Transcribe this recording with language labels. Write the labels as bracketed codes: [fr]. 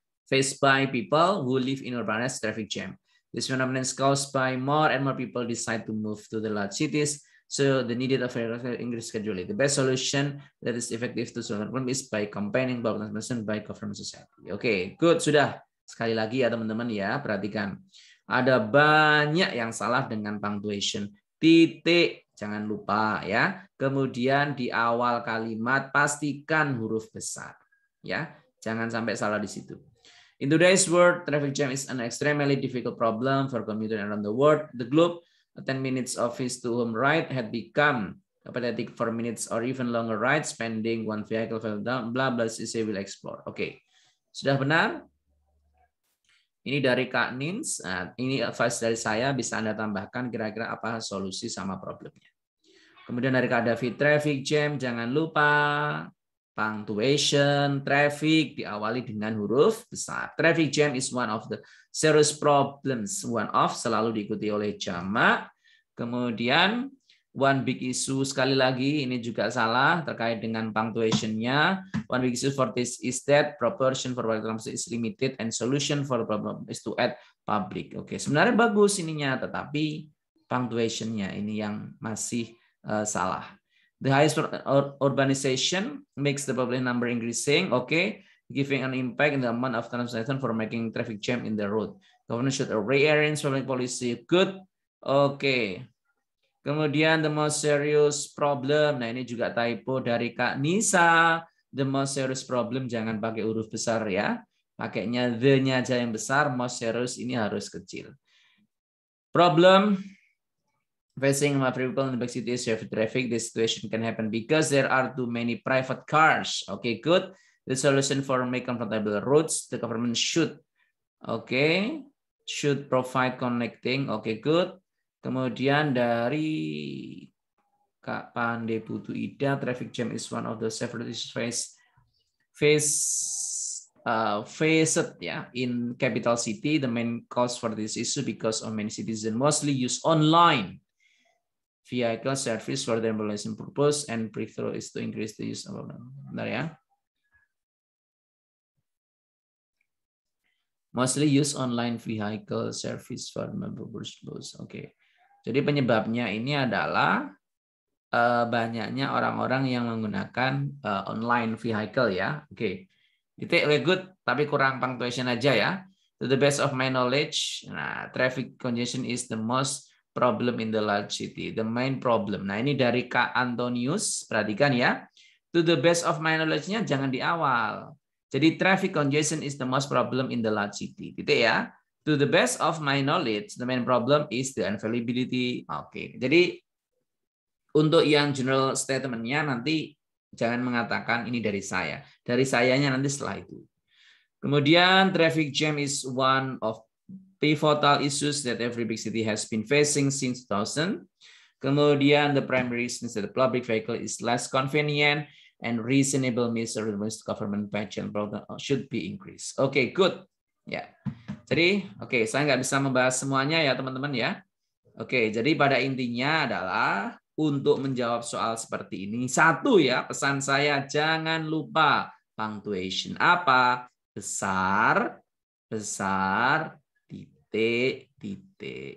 [en] Faced by people who live in urban areas, traffic jam. This phenomenon is caused by more and more people decide to move to the large cities, so the needed of increase gradually. The best solution that is effective to solve the problem is by combining public transportation by government society. Okay, good. [id] Sudah. Sekali lagi ya teman-teman ya, perhatikan. Ada banyak yang salah dengan punctuation. Titik, jangan lupa ya. Kemudian di awal kalimat pastikan huruf besar. Ya, jangan sampai salah di situ. [en] In today's world, traffic jam is an extremely difficult problem for commuters around the world. The globe, a 10 minutes office to home ride had become a pathetic 4 minutes or even longer ride spending one vehicle fell down, blah, blah, CC will explore. Okay. [id] Sudah benar? Ini dari Kak Nins. Ini advice dari saya, bisa Anda tambahkan kira-kira apa solusi sama problemnya. Kemudian dari Kak David, traffic jam, jangan lupa punctuation, traffic diawali dengan huruf besar. [en] Traffic jam is one of the serious problems. [id] One of selalu diikuti oleh jamak. Kemudian [en] one big issue, [id] sekali lagi ini juga salah terkait dengan punctuation-nya. [en] One big issue for this is that proportion for public transport is limited and solution for problem is to add public. [id] Oke, sebenarnya bagus ininya, tetapi punctuation-nya ini yang masih salah. [en] The highest urbanization makes the public number increasing, okay, giving an impact in the amount of transportation for making traffic jam in the road. Government should rearrange public policy. Good. Okay. Kemudian the most serious problem. [id] Nah, ini juga typo dari Kak Nisa. [en] The most serious problem, [id] jangan pakai huruf besar ya. Pakainya the-nya aja yang besar, most serious ini harus kecil. [en] Problem facing my people in the big city is heavy traffic. This situation can happen because there are too many private cars. Okay, good. The solution for make comfortable roads, the government should, okay, should provide connecting. Okay, good. [id] Kemudian dari Kak Pandey Putu Ida, [en] traffic jam is one of the several issues faced yeah, in capital city. The main cause for this issue because of many citizens mostly use online vehicle service for their mobilization purpose and breakthrough is to increase the use of [id] bentar ya. [en] Mostly use online vehicle service for mobilization purpose. Okay. [id] Jadi penyebabnya ini adalah banyaknya orang-orang yang menggunakan online vehicle ya. Oke. Okay. Titik, [en] okay, good, [id] tapi kurang punctuation aja ya. [en] To the best of my knowledge, nah, traffic congestion is the most problem in the large city, the main problem. [id] Nah, ini dari Kak Antonius, perhatikan ya. [en] To the best of my knowledge-nya [id] jangan di awal. [en] Jadi traffic congestion is the most problem in the large city. [id] Titik ya. [en] To the best of my knowledge, the main problem is the unavailability. Oke. Okay. [id] Jadi untuk yang general statement-nya nanti jangan mengatakan ini dari saya. Dari sayanya nanti setelah itu. [en] Kemudian traffic jam is one of pivotal issues that every big city has been facing since 2000. Kemudian the primary reason is that the public vehicle is less convenient and reasonable means of government pension program should be increased. Oke, okay, good. Ya. Yeah. [id] Jadi, oke, okay, saya nggak bisa membahas semuanya ya, teman-teman ya. Oke, okay, jadi pada intinya adalah untuk menjawab soal seperti ini, satu ya, pesan saya jangan lupa punctuation apa? Besar, besar, titik, titik.